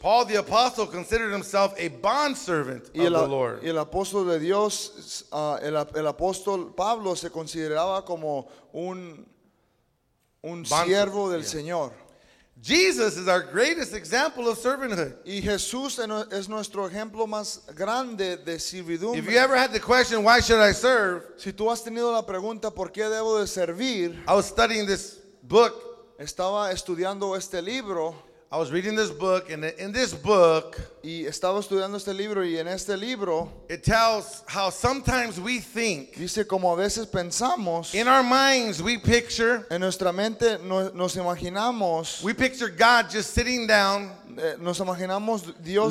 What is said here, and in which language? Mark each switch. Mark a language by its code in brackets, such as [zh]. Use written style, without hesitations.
[en] Paul the apostle considered himself a bond servant of the Lord. [es] Y el apóstol de Dios, el apóstol Pablo se consideraba como un siervo del Señor. [en] Jesus is our greatest example of servanthood. [es] Y Jesús es nuestro ejemplo más grande de servidumbre. [en] If you ever had the question, why should I serve? [es] Si tú has tenido la pregunta, ¿por qué debo de servir? [en] I was studying this book. [es] Estaba estudiando este libro. [en] I was reading this book, and in this book, [es] y estaba estudiando este libro, y en este libro, [en] it tells how sometimes we think. [es] Dice como a veces pensamos. [en] In our minds, we picture. [es] En nuestra mente, nos imaginamos. [en] We picture God just sitting down. [es] Nos imaginamos Dios